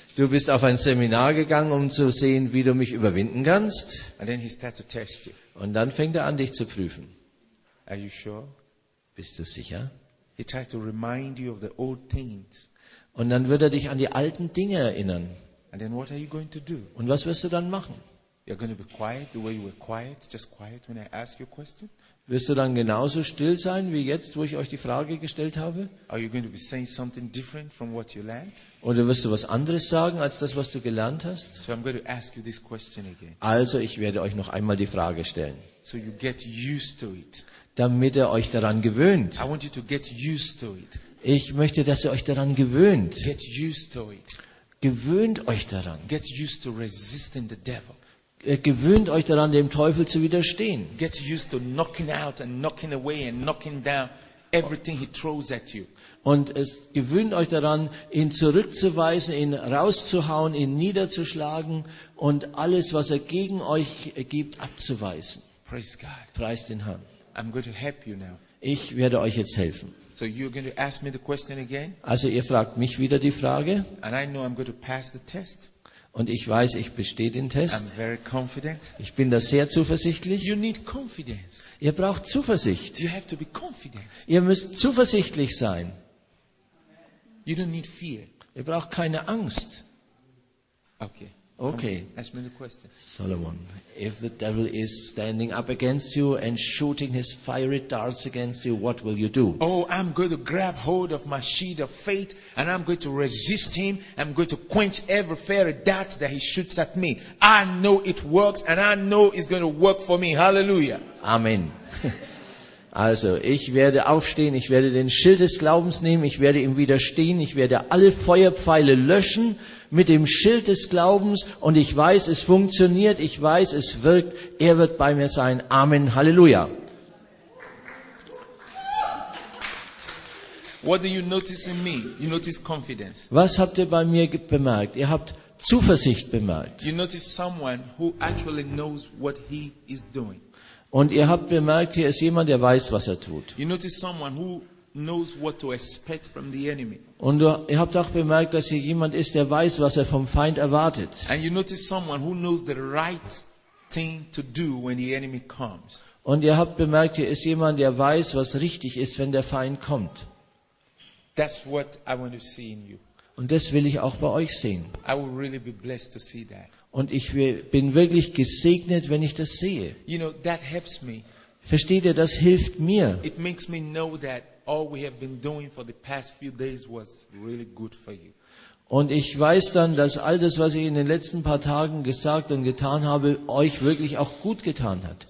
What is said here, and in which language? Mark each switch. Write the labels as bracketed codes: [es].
[de] Du bist auf ein Seminar gegangen, um zu sehen, wie du mich überwinden kannst. [en] And then he starts to test you. [de] Und dann fängt er an, dich zu prüfen. [en] Are you sure? [de] Bist du sicher? [en] He tried to remind you of the old things. [de] Und dann wird er dich an die alten Dinge erinnern. [en] And then what are you going to do? [de] Und was wirst du dann machen? [en] You're going to be quiet the way you were quiet, just quiet when I ask you a question? [de] Wirst du dann genauso still sein wie jetzt, wo ich euch die Frage gestellt habe? [en] Are you going to be saying something different from what you learned? [de] Oder wirst du was anderes sagen als das, was du gelernt hast? [en] So I'm going to ask you this question again. [de] Also, ich werde euch noch einmal die Frage stellen. [en] So you get used to it. [de] Damit ihr euch daran gewöhnt. [en] I want you to get used to it. [de] Ich möchte, dass ihr euch daran gewöhnt. [en] Get used to it. [de] Gewöhnt euch daran. [en] Get used to resisting the devil. [de] Gewöhnt euch daran, dem Teufel zu widerstehen. [en] Get used to knocking out and knocking away and knocking down everything he throws at you. [de] Und es gewöhnt euch daran, ihn zurückzuweisen, ihn rauszuhauen, ihn niederzuschlagen und alles, was er gegen euch gibt, abzuweisen. [en] Praise God. [de] Preist den Herrn. [en] I'm going to help you now. [de] Ich werde euch jetzt helfen. [en] So you're going to ask me the question again? [de] Also ihr fragt mich wieder die Frage. [en] And I know I'm going to pass the test. [de] Und ich weiß, ich bestehe den Test. [en] I'm very confident. [de] Ich bin da sehr zuversichtlich. [en] You need confidence. [de] Ihr braucht Zuversicht. [en] You have to be confident. [de] Ihr müsst zuversichtlich sein. [en] You don't need fear. [de] Ihr braucht keine Angst. [en] Okay. Okay. Ask me the question. Solomon, if the devil is standing up against you and shooting his fiery darts against you, what will you do? Oh, I'm going to grab hold of my shield of faith and I'm going to resist him. I'm going to quench every fiery dart that he shoots at me. I know it works and I know it's going to work for me. Hallelujah. Amen. [de] Also, ich werde aufstehen, ich werde den Schild des Glaubens nehmen, ich werde ihm widerstehen, ich werde alle Feuerpfeile löschen mit dem Schild des Glaubens und ich weiß, es funktioniert, ich weiß, es wirkt, er wird bei mir sein. Amen. Halleluja. [en] What do you notice in me? You notice confidence. [de] Was habt ihr bei mir bemerkt? Ihr habt Zuversicht bemerkt. [en] You notice someone who actually knows what he is doing. [de] Und ihr habt bemerkt, hier ist jemand, der weiß, was er tut. [en] You notice someone who knows what to expect from the enemy. [de] Und ihr habt auch bemerkt, dass hier jemand ist, der weiß, was er vom Feind erwartet. [en] And you notice someone who knows the right thing to do when the enemy comes. [de] Und ihr habt bemerkt, hier ist jemand, der weiß, was richtig ist, wenn der Feind kommt. [en] That's what I want to see in you. [de] Und das will ich auch bei euch sehen. [en] I will really be blessed to see that. [de] Und ich bin wirklich gesegnet, wenn ich das sehe. [en] You know, that helps me. [de] Versteht ihr, das hilft mir. [en] It makes me know that all we have been doing for the past few days was really good for you. [de] Und ich weiß dann, dass all das, was ich in den letzten paar Tagen gesagt und getan habe, euch wirklich auch gut getan hat.